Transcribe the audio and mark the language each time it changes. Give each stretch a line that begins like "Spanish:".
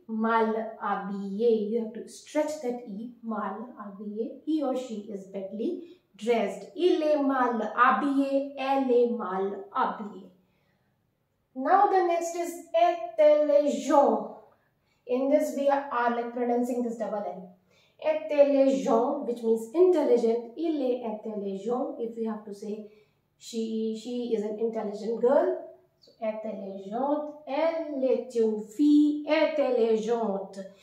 French: Mal habillé,
English: you have to stretch that E.
French: Mal habillé,
English: he or she is badly dressed.
French: Il est mal habillé, elle est mal habillé.
English: Now the next is intelligent. In this we are like pronouncing this double N. Intelligent, which means intelligent.
French: Il est intelligent,
English: if we have to say she is an intelligent girl.
French: So, intelligente, elle est une fille intelligente.